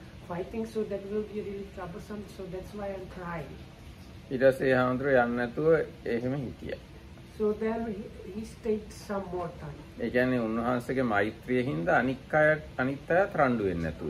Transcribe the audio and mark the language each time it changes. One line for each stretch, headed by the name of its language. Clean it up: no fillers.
English: fighting, so that will be really troublesome. So that's why I'm crying.
Sinhala: ඊට පස්සේ හාමුදුරුවෝ යන්න නැතුව එහෙම හිටියා.
English: So then he stayed some more time.
Sinhala: ඒ කියන්නේ උන්වහන්සේගේ මෛත්‍රිය හින්දා අනිත් අයත් රණ්ඩු වෙන්නේ නැතුව